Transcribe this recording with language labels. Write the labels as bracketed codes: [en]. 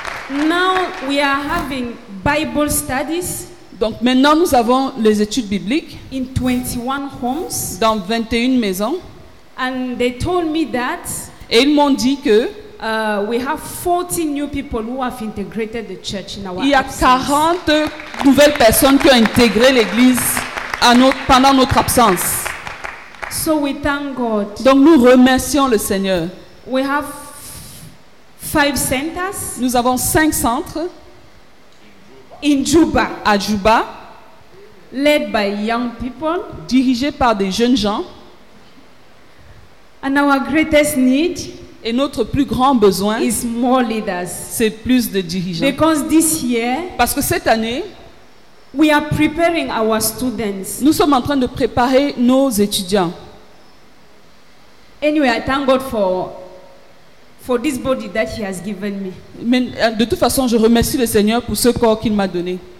[en] Now we are having Bible studies. [fr] Donc maintenant nous avons les études bibliques. [en] In 21 homes. [fr] Dans 21 maisons. [en] And they told me that. [fr] Et ils m'ont dit que. [en] We have 40 new people who have integrated the church in our absence. [fr] Il y a 40 nouvelles personnes qui ont intégré l'église pendant notre absence. [en] So we thank God. [fr] Donc nous remercions le Seigneur. [en] We have 5 centers. [fr] Nous avons 5 centres. [en] In Juba. [fr] À Juba. [en] Led by young people. [fr] Dirigés par des jeunes gens. [en] And our greatest need. [fr] Et notre plus grand besoin, [en] is more leaders. [fr] C'est plus de dirigeants. [en] Because this year, [fr] parce que cette année, [en] we are preparing our students. [fr] Nous sommes en train de préparer nos étudiants. [en] Anyway, I thank God for this body that He has given me. [fr] Mais de toute façon, je remercie le Seigneur pour ce corps qu'il m'a donné.